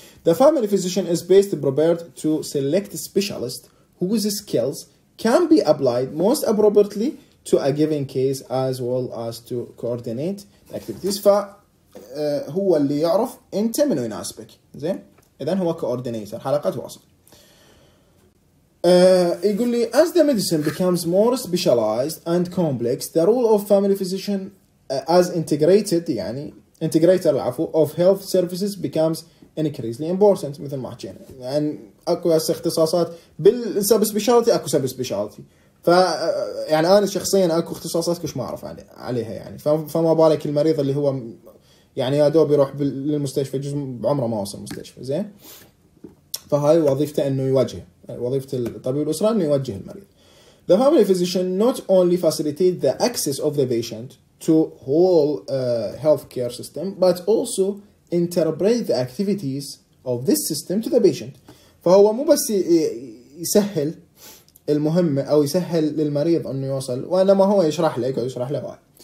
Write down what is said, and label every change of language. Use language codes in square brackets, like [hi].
[en] The family physician is based and prepared to select a specialist whose skills can be applied most appropriately to a given case as well as to coordinate activities. [ar] فهو اللي يعرف انت من يناسبك, زين اذا هو coordinator حلقة وصل. يقول لي [en] as the medicine becomes more specialized and complex the role of family physician as integrated [ar] يعني [en] integrator [ar] العفو [en] of health services becomes increasingly important. [ar] مثل ما حكينا يعني اكو هسه اختصاصات بالسب سبيشالتي اكو سب سبيشالتي, ف يعني انا شخصيا اكو اختصاصات كش ما اعرف عليها يعني, فما بالك المريض اللي هو يعني يا دوب يروح للمستشفى جزء بعمره ما وصل المستشفى. زين فهاي وظيفته انه يوجه, وظيفه الطبيب الاسره انه يوجه المريض. [en] The family physician not only facilitate the access of the patient to whole healthcare system but also interpret the activities of this system to the patient. [ar] فهو مو بس يسهل المهمة أو يسهل للمريض أنه يوصل, وإنما هو يشرح لك ويشرح له بعد.